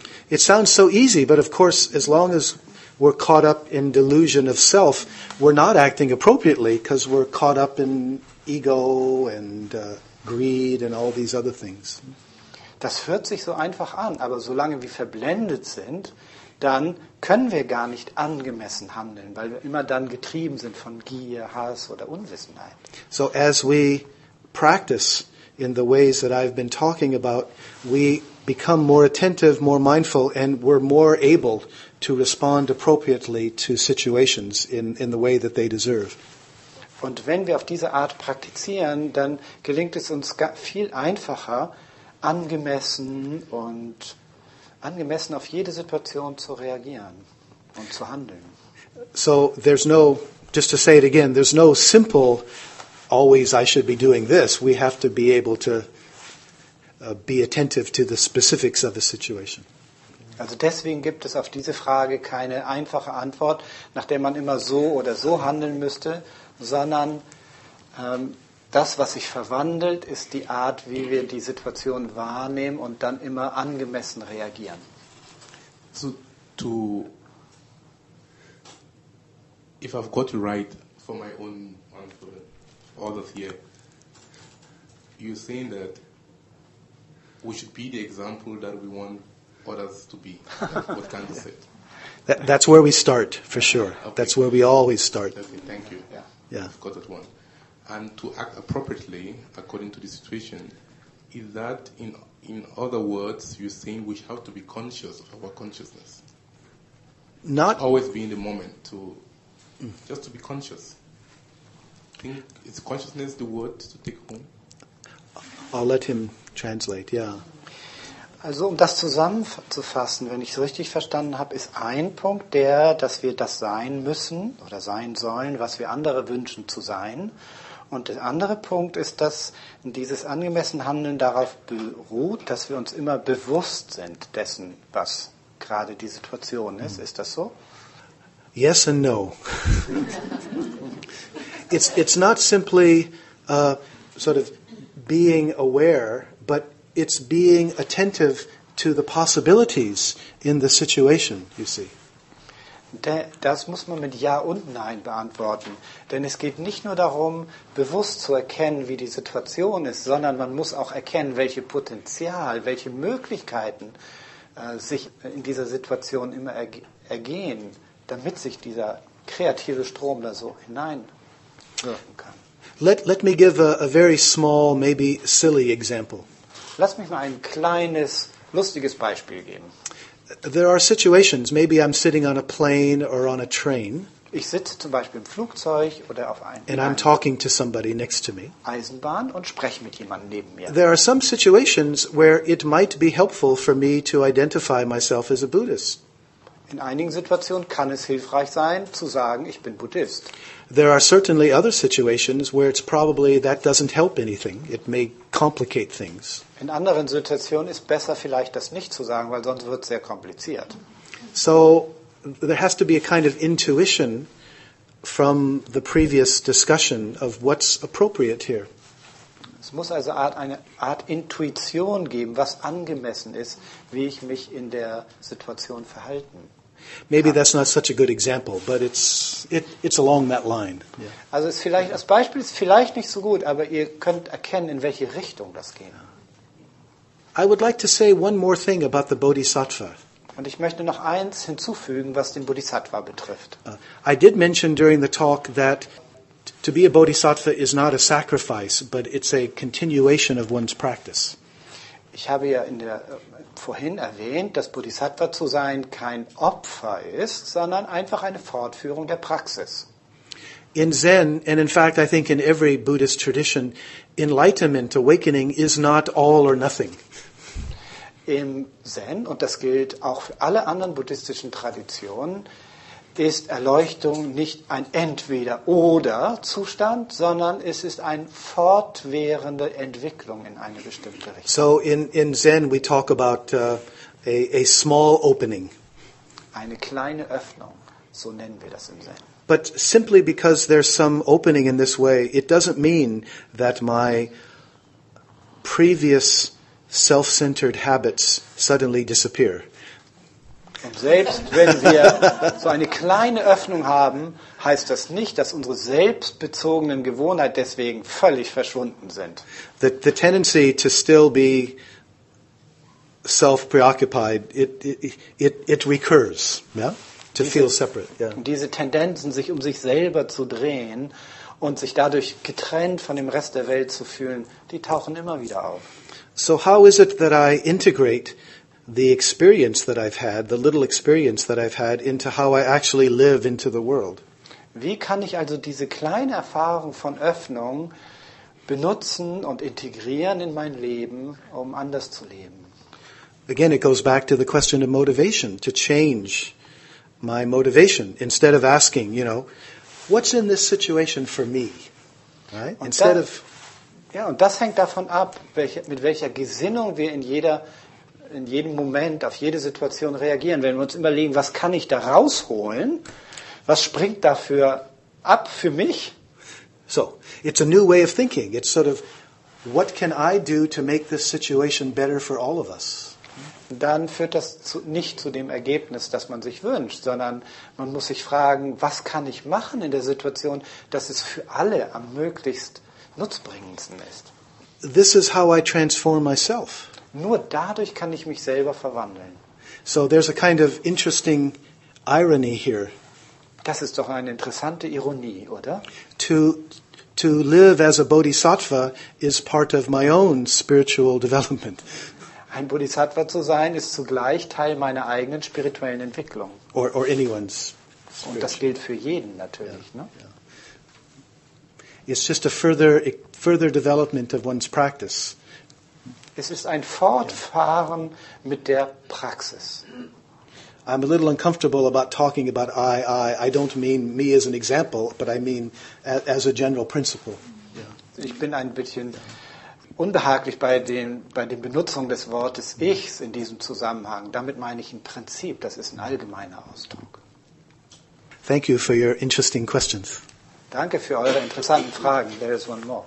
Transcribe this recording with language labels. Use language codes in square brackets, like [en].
[en] It sounds so easy, but of course, as long as we're caught up in delusion of self, we're not acting appropriately because we're caught up in ego and greed and all these other things. [de] Das hört sich so einfach an, aber solange wir verblendet sind, dann können wir gar nicht angemessen handeln, weil wir immer dann getrieben sind von Gier, Hass oder Unwissenheit. [en] So as we practice in the ways that I've been talking about, we become more attentive, more mindful, and we're more able to respond appropriately to situations in the way that they deserve. [de] Und wenn wir auf diese Art praktizieren, dann gelingt es uns viel einfacher, angemessen auf jede Situation zu reagieren und zu handeln. [en] So there's no, just to say it again, there's no simple always I should be doing this. We have to be able to be attentive to the specifics of the situation. [de] Also deswegen gibt es auf diese Frage keine einfache Antwort, nach der man immer so oder so handeln müsste, sondern das, was sich verwandelt, ist die Art, wie wir die Situation wahrnehmen und dann immer angemessen reagieren. [en] So, to, if I've got you right for my own and for all of you, you're saying that we should be the example that we want others to be. What kind of it? That's where we start, for sure. Okay. That's where we always start. Okay, thank you. Yeah. I've got that one. And to act appropriately according to the situation, is that in other words, you're saying we have to be conscious of our consciousness? Not always be in the moment, to just to be conscious. Think, is consciousness the word to take home? I'll let him translate, yeah. [de] Also um das zusammenzufassen, wenn ich es richtig verstanden habe, ist ein Punkt der, dass wir das sein müssen oder sein sollen, was wir andere wünschen zu sein. Und der andere Punkt ist, dass dieses angemessene Handeln darauf beruht, dass wir uns immer bewusst sind dessen, was gerade die Situation ist. Ist das so? [en] Yes and no. It's not simply sort of being aware, but it's being attentive to the possibilities in the situation, you see. [de] Das muss man mit Ja und Nein beantworten. Denn es geht nicht nur darum, bewusst zu erkennen, wie die Situation ist, sondern man muss auch erkennen, welche Potenzial, welche Möglichkeiten sich in dieser Situation immer ergehen, damit sich dieser kreative Strom da so hineinwirken kann. [en] Let me give a very small, maybe silly example. [de] Lass mich mal ein kleines, lustiges Beispiel geben. [en] There are situations, maybe I'm sitting on a plane or on a train. [de] Ich sitze zum Beispiel im Flugzeug oder auf einem. [en] And I'm talking to somebody next to me. [de] Eisenbahn und spreche mit jemandem neben mir. [en] There are some situations where it might be helpful for me to identify myself as a Buddhist. [de] In einigen Situationen kann es hilfreich sein, zu sagen, ich bin Buddhist. [en] There are certainly other situations where it's probably that doesn't help anything. It may complicate things. [de] In anderen Situationen ist besser vielleicht das nicht zu sagen, weil sonst wird es sehr kompliziert. [en] So there has to be a kind of intuition from the previous discussion of what's appropriate here. [de] Es muss also eine Art Intuition geben, was angemessen ist, wie ich mich in der Situation verhalten. [en] Maybe that's not such a good example, but it's along that line. Yeah. [de] Also ist vielleicht, das Beispiel ist vielleicht nicht so gut, aber ihr könnt erkennen, in welche Richtung das geht. [en] I would like to say one more thing about the Bodhisattva. [de] Und ich möchte noch eins hinzufügen, was den Bodhisattva betrifft. [en] I did mention during the talk that to be a Bodhisattva is not a sacrifice, but it's a continuation of one's practice. [de] Ich habe ja vorhin erwähnt, dass Bodhisattva zu sein kein Opfer ist, sondern einfach eine Fortführung der Praxis. [en] In Zen, and in fact I think in every Buddhist tradition, enlightenment, awakening is not all or nothing. [de] Im Zen, und das gilt auch für alle anderen buddhistischen Traditionen, ist Erleuchtung nicht ein Entweder-Oder-Zustand, sondern es ist eine fortwährende Entwicklung in eine bestimmte Richtung. [en] So in Zen we talk about a small opening. [de] Eine kleine Öffnung, so nennen wir das im Zen. [en] But simply because there's some opening in this way, it doesn't mean that my previous self-centered habits suddenly disappear. [de] Und selbst wenn wir so eine kleine Öffnung haben, heißt das nicht, dass unsere selbstbezogenen Gewohnheiten deswegen völlig verschwunden sind. [en] The tendency to still be self-preoccupied, it recurs, yeah? To feel separate. Yeah. [de] Diese Tendenzen, sich um sich selber zu drehen und sich dadurch getrennt von dem Rest der Welt zu fühlen, die tauchen immer wieder auf. [en] So how is it that I integrate the experience that I've had, the little experience that I've had, into how I actually live into the world? [de] Wie kann ich also diese kleine Erfahrung von Öffnung benutzen und integrieren in mein Leben, um anders zu leben? [en] Again, it goes back to the question of motivation, to change my motivation, instead of asking, you know, what's in this situation for me? Right? [de] Und das hängt davon ab, mit welcher Gesinnung wir in jedem Moment auf jede Situation reagieren. Wenn wir uns überlegen, was kann ich da rausholen, was springt dafür ab für mich? [en] So, it's a new way of thinking. It's sort of, what can I do to make this situation better for all of us? [de] Dann führt das nicht zu dem Ergebnis, das man sich wünscht, sondern man muss sich fragen, was kann ich machen in der Situation, dass es für alle am möglichst nutzbringendsten ist. [en] This is how I transform myself. [de] Nur dadurch kann ich mich selber verwandeln. [en] So there's a kind of interesting irony here. [de] Das ist doch eine interessante Ironie, oder? [en] To live as a Bodhisattva is part of my own spiritual development. [de] Ein Bodhisattva zu sein ist zugleich Teil meiner eigenen spirituellen Entwicklung. [en] Or anyone's. [de] Und das gilt für jeden natürlich, yeah. Ne? [en] Yeah. It's just a further development of one's practice. [de] Es ist ein Fortfahren, yeah, mit der Praxis. [en] I'm a little uncomfortable about talking about I don't mean me as an example, but I mean as a general principle. Yeah. [de] Ich bin ein bisschen unbehaglich bei der Benutzung des Wortes Ichs in diesem Zusammenhang. Damit meine ich ein Prinzip, das ist ein allgemeiner Ausdruck. [en] Thank you for your interesting questions. [de] Danke für eure interessanten Fragen. [en] There is one more.